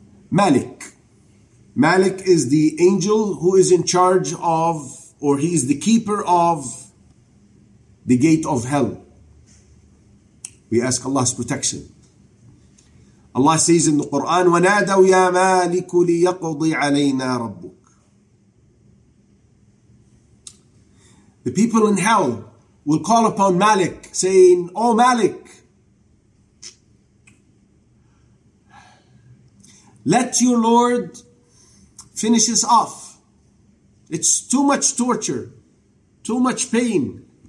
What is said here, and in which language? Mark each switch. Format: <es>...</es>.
<en>Malik is the angel who is in charge of, or he is the keeper of, the gate of hell. We ask Allah's protection. Allah says in the Quran,</en> <ar>وَنَادَوْ يَا مَالِكُ لِيَقْضِي عَلَيْنَا رَبُّكَ.</ar> <en>The people in hell will call upon Malik, saying, "Oh Malik, let your Lord finish us off. It's too much torture, too much pain."</en>